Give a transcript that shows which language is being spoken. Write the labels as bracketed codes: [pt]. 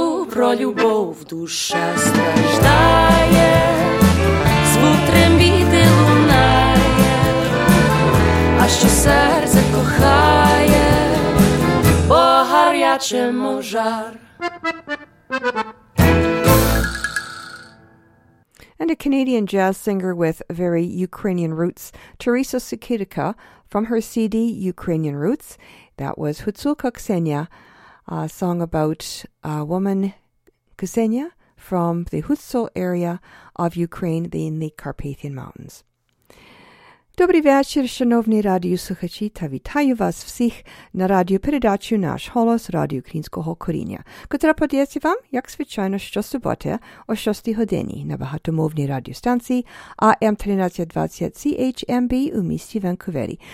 [uk] Про любов душа страждає, звук трембіти лунає, а що серце кохає, по гарячому жар. [en] And a Canadian jazz singer with very Ukrainian roots, Teresa Sukidika, from her CD Ukrainian Roots. That was Hutsulka Ksenia, a song about a woman, Ksenia, from the Hutsul area of Ukraine in the Carpathian Mountains. [uk] Добрий вечір, шановні радіослухачі, та вітаю вас всіх на радіопередачі «Наш голос» Радіо Українського коріння, котра подається вам, як звичайно, щосуботи о 6 годині на багатомовній радіостанції АМ1320 CHMB у місті Ванкувері.